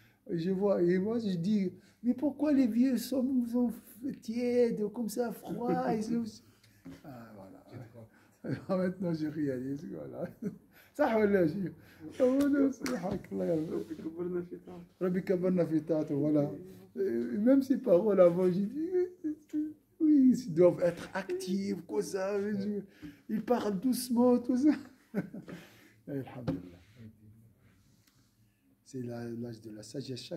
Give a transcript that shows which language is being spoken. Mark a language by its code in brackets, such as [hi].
[fr] Je vois, et moi, je dis, mais pourquoi les vieux sont tièdes, comme ça, froids? Voilà. Maintenant, je réalise, voilà. [ar] صح ولا شيء قول سبحانك الله يا رب كبرنا في طاعته ربي كبرنا في طاعته ولا [fr] même ses paroles avant j'ai dit oui ils doivent être actifs quoi ça veut dire ils parlent doucement tout ça [ar] الحمد لله [fr] c'est l'âge de la sagesse.